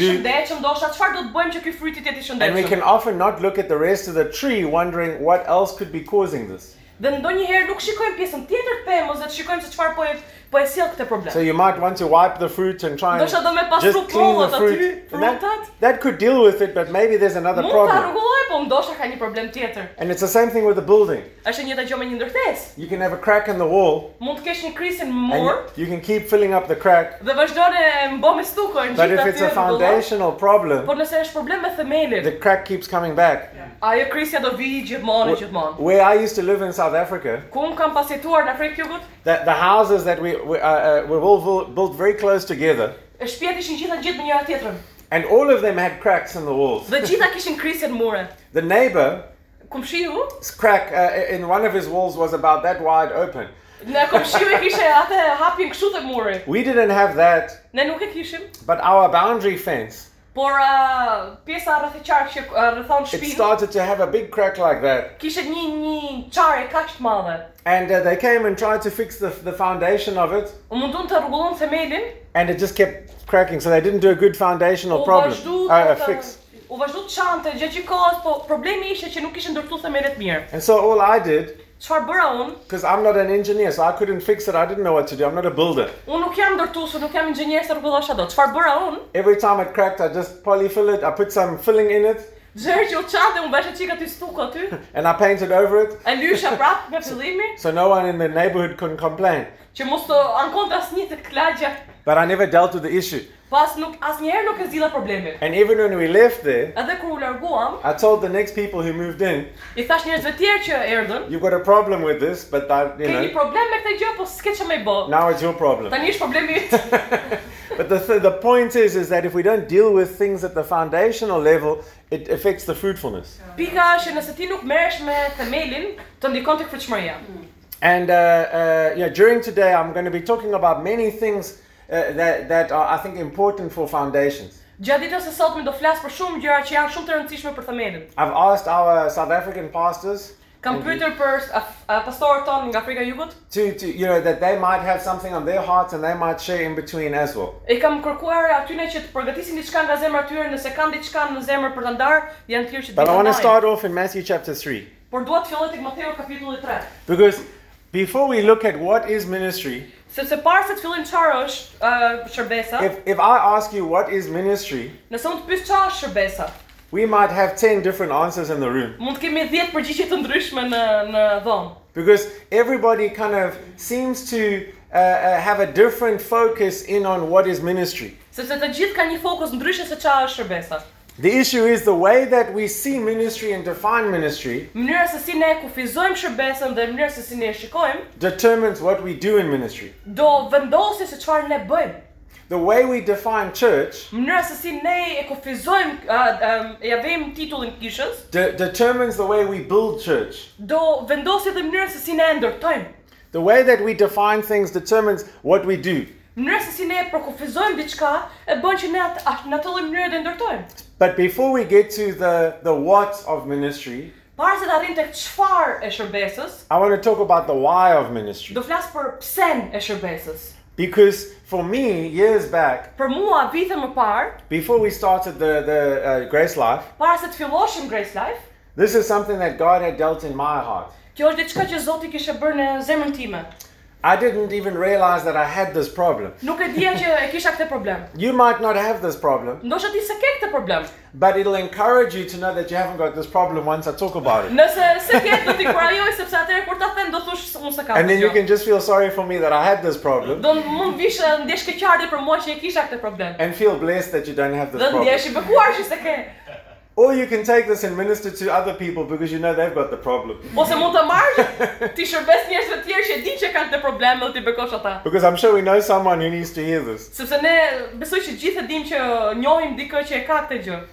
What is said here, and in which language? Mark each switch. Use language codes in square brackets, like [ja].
[sq] Nuk duket shëndetshëm, ndoshta çfarë do të bëjmë që ky fryti të jetë i shëndetshëm? [en] And we can often not look at the rest of the tree wondering what else could be causing this. [sq] Dhe ndonjëherë nuk shikojmë pjesën tjetër të pemës, vetë shikojmë se çfarë po e sjell këtë problem. [en] So you might want to wipe the fruit and try and do me just clean the fruit. That could deal with it, but maybe there's another problem. [sq] Mund ta rregulloj, po ndoshta ka një problem tjetër. [en] And it's the same thing with the building. [sq] Është njëjta gjë me një ndërtesë. [en] You can have a crack in the wall. [sq] Mund të kesh një krisin mur. [en] And you can keep filling up the crack. [sq] Dhe vazhdone mbome stukën. [en] But if it's a foundational problem. [sq] Po nëse është problem me themelin. [en] The crack keeps coming back. [sq] Ajo krisja do vijë gjithmonë. [en] Where I used to live in South Africa. [sq] Ku un kam pasjetuar në Afrikë Jugut? [en] The houses that we were all built very close together. [sq] Shtëpitë ishin gjithë me njëra tjetrën. [en] And all of them had cracks in the walls. [sq] Dhe gjitha kishin krisje në mure. [en] The neighbor, [sq] kumshiu, [en] crack in one of his walls was about that wide open. [sq] Ne kumshiu kishte atë hapin kështu te muri. [en] We didn't have that. [sq] Ne nuk e kishim. [en] But our boundary fence. [sq] Por pjesa rreth qark që rrethon shtëpinë. [en] It started to have a big crack like that. [sq] Kishte një çare kaq të madhe. [en] And they came and tried to fix the foundation of it. [sq] U munduan të rregullojnë themelin. [en] And it just kept cracking, so they didn't do a good foundational problem. [sq] U vazhdu të çante gjatë kohës, po problemi ishte që nuk kishin ndërtuar themelet mirë. [en] And so all I did. [sq] Çfarë bëra un? [en] Because I'm not an engineer, so I couldn't fix it. I didn't know what to do. I'm not a builder. [sq] Un nuk jam ndërtuesu, nuk jam inxhinier se rregullosh ato. Çfarë bëra un? [en] Every time it cracked, I just polyfill it. I put some filling in it. [sq] Zërjo çante un bashë çika ti stuk aty. [en] And I painted over it. [sq] E lysha prap me fillimin. [en] So no one in the neighborhood couldn't complain. [sq] Që mos të ankonte asnjë të klagja. [en] But I never dealt with the issue. [sq] Pas nuk asnjëherë nuk e zgjidha problemin. [en] And even when we left there, [sq] edhe kur u larguam, [en] I told the next people who moved in, [sq] i thash njerëzve tjerë që erdhën, [en] you've got a problem with this, but that, you know, [sq] keni problem me këtë gjë, po s'ke çë më bë. [en] Now it's your problem. [sq] Tani është problemi yt. [en] But the point is that if we don't deal with things at the foundational level, it affects the fruitfulness. [sq] Pika është nëse ti nuk merresh me themelin, të ndikon tek fruitshmëria. [en] And yeah, during today I'm going to be talking about many things that are I think important for foundations. [sq] Gjatë ditës së sotme do flas për shumë gjëra që janë shumë të rëndësishme për themelin. [en] I've asked our South African pastors. [sq] Kam pyetur për pastorët tonë nga Afrika e Jugut. [en] To you know that they might have something on their hearts and they might share in between as well. [sq] E kam kërkuar atyre që të përgatisin diçka nga zemra e tyre, nëse kanë diçka në zemër për të ndarë, janë thirrur që të. [en] But I want to start off in Matthew chapter 3. [sq] Por dua të filloj tek Matteu kapitulli 3. [en] Because before we look at what is ministry. [sq] Sepse para se të fillojmë çfarë është shërbesa. [en] If I ask you what is ministry. [sq] Nëse unë të pyes çfarë është shërbesa. [en] We might have 10 different answers in the room. [sq] Mund kemi 10 përgjigje të ndryshme në dhomë. [en] Because everybody kind of seems to have a different focus in on what is ministry. [sq] Sepse të gjithë kanë një fokus ndryshe se çfarë është shërbesa. [en] The issue is the way that we see ministry and define ministry. [sq] Mënyra se si ne kufizojmë shërbesën dhe mënyra se si ne e shikojmë [en] determines what we do in ministry. [sq] Do vendosë se çfarë ne bëjmë. [en] The way we define church. [sq] Mënyra se si ne e kufizojmë ja vëmë titullin kishës [en] determines the way we build church. [sq] Do vendosë dhe mënyra se si ne e ndërtojmë. [en] The way that we define things determines what we do. [sq] Mënyra se si ne përkufizojmë diçka e bën që ne atë lloj mënyre të ndërtojmë. [en] But before we get to the what of ministry, [sq] para se të arrijmë tek çfarë e shërbesës, [en] I want to talk about the why of ministry. [sq] Do flas për pse-n e shërbesës. [en] Because for me years back, [sq] për mua vite më parë, [en] before we started the Grace Life, [sq] para se të filloshim Grace Life, [en] this is something that God had dealt in my heart. [sq] Kjo është diçka që Zoti kishte bërë në zemrën time. [en] I didn't even realize that I had this problem. [sq] Nuk e dija që e kisha këtë problem. [en] You might not have this problem. [sq] Ndoshta ti s'ke këtë problem. [en] But it'll encourage you to know that you haven't got this problem once I talk about it. [sq] Nëse s'ke këtë do të kurajoj sepse atëherë kur ta them do thosh unë s'kam. [en] And then you can just feel sorry for me that I had this problem. [sq] Do mund vish ndesh keqardhje për mua që e kisha këtë problem. [en] And feel blessed that you don't have this problem. [sq] Do ndjesh I bekuar që s'ke. [en] Or you can take this and minister to other people because you know they've got the problem. [sq] Ose mund ta marrësh ti shërbes njerëz të tjerë që dinë që kanë këtë problem dhe ti bekosh ata. [en] Because I'm sure we know someone who needs to hear this. [sq] Sepse ne besoj që gjithë e dimë që njohim dikë që e ka këtë gjë.